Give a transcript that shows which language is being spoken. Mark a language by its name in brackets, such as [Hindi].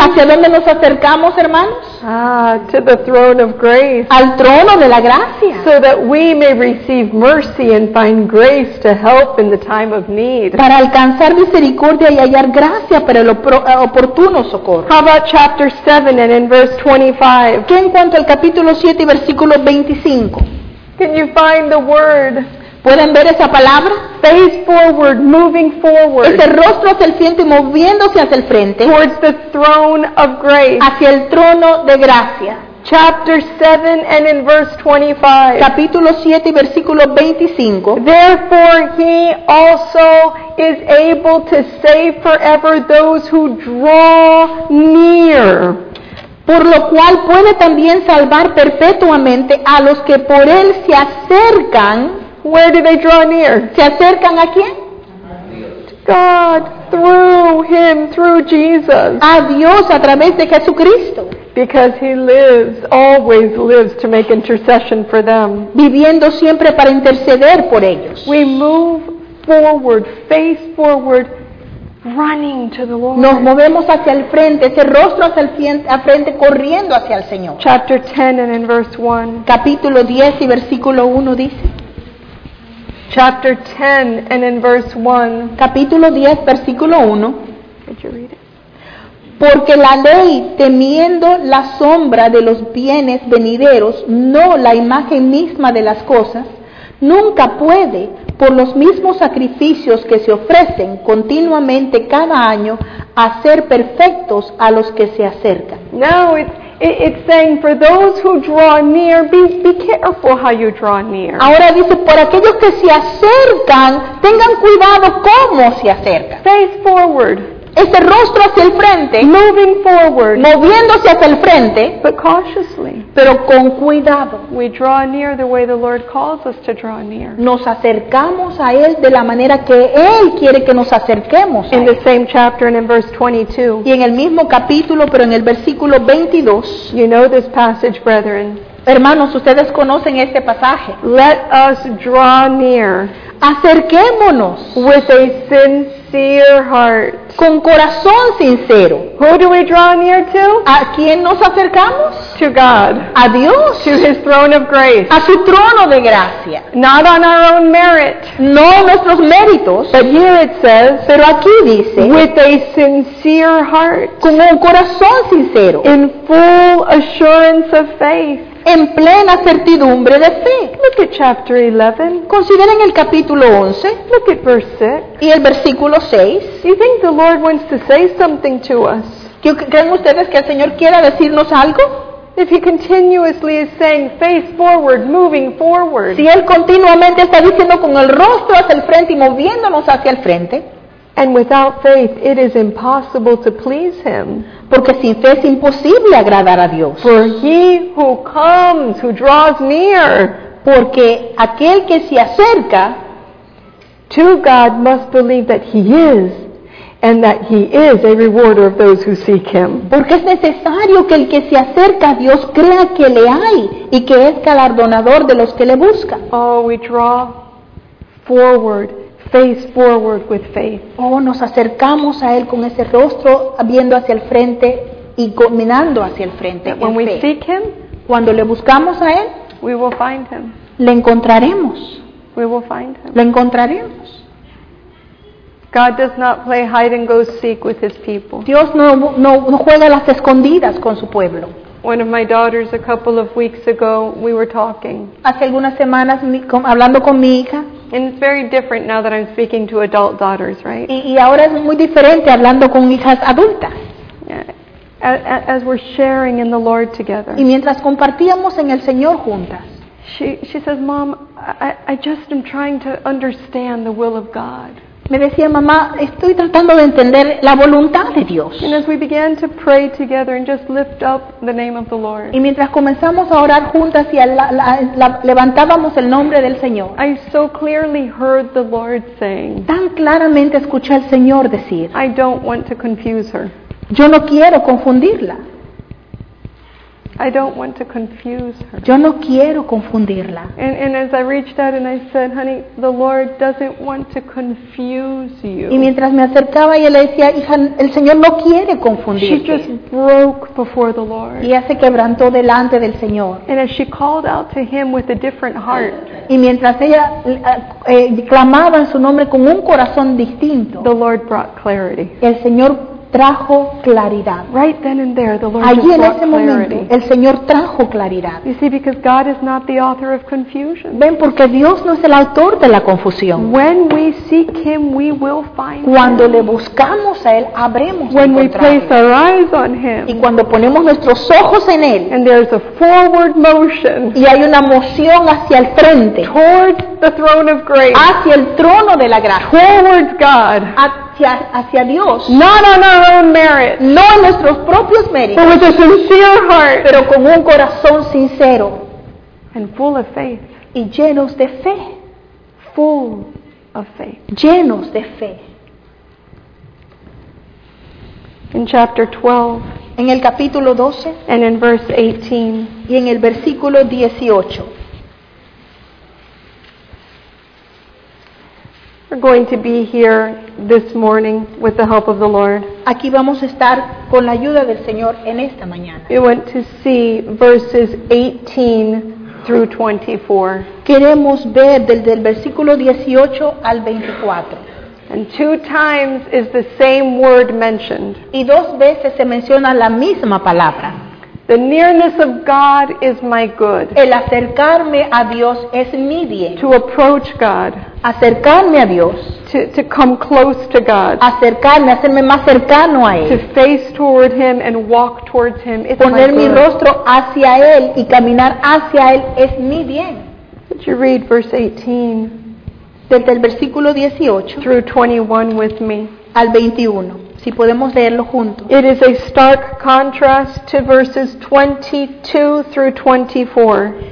[Spanish] ¿Hacia dónde nos acercamos, hermanos? [English] To the throne of grace. [Spanish] Al trono de la gracia. [English] So that we may receive mercy and find find grace to help in the time of need. [Spanish] Para alcanzar misericordia y hallar gracia para el oportuno socorro. [English] How about chapter 7 and in verse 25? [Spanish] ¿Qué en cuanto al capítulo 7 y versículo 25? [English] Can you find the word? [Spanish] ¿Pueden ver esa palabra? [English] Face forward, moving forward. [Spanish] Ese rostro hacia el frente, moviéndose hacia el frente. [English] Towards the throne of grace. [Spanish] Hacia el trono de gracia. [English] Chapter 7 and in verse 25. [Spanish] Capítulo 7 y versículo 25. [English] Therefore he also is able to save forever those who draw near. [Spanish] Por lo cual puede también salvar perpetuamente a los que por él se acercan. [English] Where do they draw near? [Spanish] ¿Se acercan a quién? [English] God, through him, through Jesus. [Spanish] A Dios, a través de Jesucristo. [English] Because he lives, always lives to make intercession for them. [Spanish] Viviendo siempre para interceder por ellos. [English] We move forward, face forward, running to the Lord. [Spanish] Nos movemos hacia el frente, ese rostro hacia el frente, a frente, corriendo hacia el Señor. [English] Chapter 10 and in verse 1. [Spanish] Capítulo 10 y versículo 1 dice. [English] Chapter 10 and in verse 1. [Spanish] Capítulo 10, versículo 1. [English] Did you read it? [Spanish] Porque la ley, temiendo la sombra de los bienes venideros, no la imagen misma de las cosas, nunca puede, por los mismos sacrificios que se ofrecen continuamente cada año, hacer perfectos a los que se acercan. [English] No, it's saying for those who draw near, be careful how you draw near. [Spanish] Ahora dice, por aquellos que se acercan, tengan cuidado cómo se acercan. [English] Face forward. [Spanish] Ese rostro hacia el frente. [English] Moving forward. [Spanish] Moviéndose hacia el frente. [English] But cautiously. [Spanish] Pero con cuidado. [English] We draw near the way the Lord calls us to draw near. [Spanish] Nos acercamos a Él de la manera que Él quiere que nos acerquemos a Él. [English] In the same chapter and in verse 22. [Spanish] Y en el mismo capítulo, pero en el versículo 22. [English] You know this passage, brethren. [Spanish] Hermanos, ustedes conocen este pasaje. [English] Let us draw near. [Spanish] Acerquémonos. [English] With a sincere heart. [Spanish] Con corazón sincero. [English] Who do we draw near to? [Spanish] ¿A quién nos acercamos? [English] To God. [Spanish] A Dios. [English] To his throne of grace. [Spanish] A su trono de gracia. [English] Not on our own merit. [Spanish] No nuestros méritos. [English] But here it says, [Spanish] pero aquí dice, [English] with a sincere heart. [Spanish] Con un corazón sincero. [English] In full assurance of faith. [Spanish] En plena certidumbre de fe. [English] Look at chapter 11. [Spanish] Consideren el capítulo 11. [English] Look at verse 6. [Spanish] Y el versículo 6. [English] Do you think the Lord wants to say something to us? [Spanish] ¿Creen ustedes que el Señor quiera decirnos algo? [English] If he continuously is saying, face forward, moving forward. [Spanish] Si Él continuamente está diciendo con el rostro hacia el frente y moviéndonos hacia el frente. [English] And without faith, it is impossible to please him. [Spanish] Porque sin fe es imposible agradar a Dios. [English] For he who comes, who draws near. [Spanish] Porque aquel que se acerca. [English] To God must believe that he is. And that he is a rewarder of those who seek him. [Spanish] Porque es necesario que el que se acerca a Dios crea que le hay. Y que es galardonador de los que le buscan. [English] Oh, we draw forward. Face forward with faith. [Spanish] Oh, nos acercamos a Él con ese rostro viendo hacia el frente y caminando hacia el frente. [English] When we [Spanish] fe. [English] Seek Him, [Spanish] cuando le buscamos a Él, [English] we will find Him. [Spanish] Le encontraremos. [English] We will find Him. [Spanish] Le encontraremos. [English] God does not play hide and go seek with His people. [Spanish] Dios no juega las escondidas con su pueblo. [English] One of my daughters, a couple of weeks ago, we were talking. [Spanish] Hace algunas semanas, hablando con mi hija. [English] And it's very different now that I'm speaking to adult daughters, right? [Spanish] Y ahora es muy diferente hablando con hijas adultas. [English] Yeah. As we're sharing in the Lord together. [Spanish] Y mientras compartíamos en el Señor juntas. [English] She says, Mom, I just am trying to understand the will of God. [Spanish] Me decía, mamá, estoy tratando de entender la voluntad de Dios. [English] And as we began to pray together and just lift up the name of the Lord. [Spanish] Y mientras comenzamos a orar juntas y levantábamos el nombre del Señor. [English] I so clearly heard the Lord saying. [Spanish] Tan claramente escuché al Señor decir. [English] I don't want to confuse her. [Spanish] Yo no quiero confundirla. [English] I don't want to confuse her. [Spanish] Yo no quiero confundirla. [English] And as I reached out and I said, honey, the Lord doesn't want to confuse you. [Spanish] Y mientras me acercaba y le decía, hija, el Señor no quiere confundirte. [English] She just broke before the Lord. [Spanish] Y ella se quebrantó delante del Señor. [English] And as she called out to him with a different heart. [Spanish] Y mientras ella clamaba su nombre con un corazón distinto. [English] The Lord brought clarity. [Spanish] El Señor trajo claridad. [English] Right then and there, the Lord [Spanish] allí en ese momento el Señor trajo claridad. [English] You see, because God is not the author of confusion. [Spanish] Ven, porque Dios no es el autor de la confusión. [English] When we seek him, we will find [Spanish] cuando [English] him. [Spanish] Le buscamos a él habremos [English] when [Spanish] de encontrar [English] we place our eyes on him, [Spanish] y cuando ponemos nuestros ojos en él [English] and there is a forward motion, [Spanish] y hay una moción hacia el frente [English] towards the throne of grace, [Spanish] hacia el trono de la gracia [English] towards God, [Spanish] hacia Dios, [English] not on our own merit, [Spanish] no en nuestros propios méritos, [English] but with a sincere heart, [Spanish] pero con un corazón sincero, [English] and full of faith, [Spanish] y llenos de fe, [English] full of faith, [Spanish] llenos de fe. [English] In chapter 12, [Spanish] en el capítulo 12, [English] and in verse 18, [Spanish] y en el versículo 18. [English] We're going to be here this morning with the help of the Lord. [Spanish] Aquí vamos a estar con la ayuda del Señor en esta mañana. [English] We want to see verses 18 through 24. [Spanish] Queremos ver del versículo 18 al 24. [English] And two times is the same word mentioned. [Spanish] Y dos veces se menciona la misma palabra. [English] The nearness of God is my good. [Spanish] El acercarme a Dios es mi bien. [English] To approach God. [Spanish] Acercarme a Dios. [English] To come close to God. [Spanish] Acercarme, hacerme más cercano a Él. [English] To face toward Him and walk towards Him is my good. [Spanish] Poner mi rostro hacia Él y caminar hacia Él es mi bien. [English] Would you read verse 18? [Spanish] Desde el versículo 18. [English] Through 21 with me. [Spanish] Al 21. Si podemos leerlo juntos. [English] It is a stark contrast to verses 22 through 24.